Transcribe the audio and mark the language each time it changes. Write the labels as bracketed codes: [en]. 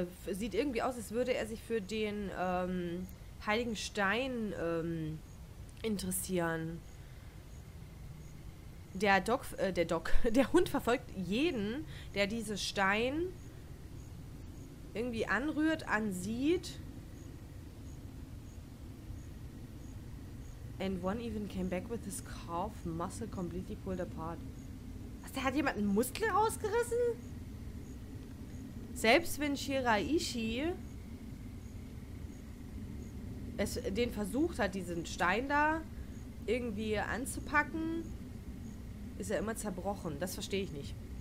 [de] sieht irgendwie aus, als würde er sich für den heiligen Stein interessieren. Der Hund verfolgt jeden, der diese Stein irgendwie anrührt, ansieht. [en] And one even came back with his calf muscle completely pulled apart. [de] Was, der hat jemand einen Muskel rausgerissen? Selbst wenn Shiraishi es den versucht hat, diesen Stein da irgendwie anzupacken, ist er immer zerbrochen. Das verstehe ich nicht.